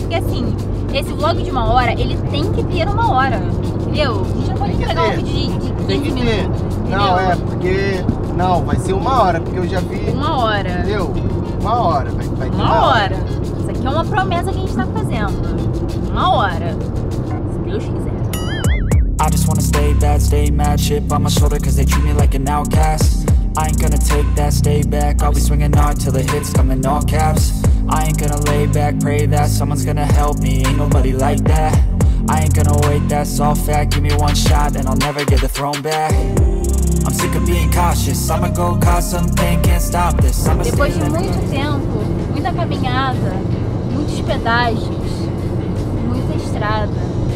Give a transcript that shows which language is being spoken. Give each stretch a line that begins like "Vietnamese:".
Portuguese: Porque assim, esse vlog de uma hora, ele tem que ter uma hora, entendeu? A gente não pode entregar um vídeo de 15 minutos. Não, é porque... Não, vai ser uma hora, porque eu já vi... Uma hora. Entendeu? Uma hora, vai ter uma hora. Isso aqui é uma promessa que a gente tá fazendo. Uma hora. Se Deus quiser.
English: I just wanna stay bad, stay mad, chip on my shoulder cause they treat me like an outcast. I ain't gonna take that, stay back, I'll be swinging hard till the hits come in all caps. I ain't gonna lay back, pray that someone's gonna help me, ain't nobody like that. I ain't gonna wait, that's all fact, give me one shot and I'll never get the throne back. I'm sick of being cautious, I'ma go cause something, can't stop this.
Portuguese: Depois de muito tempo, muita caminhada, muitos pedágios, muita estrada.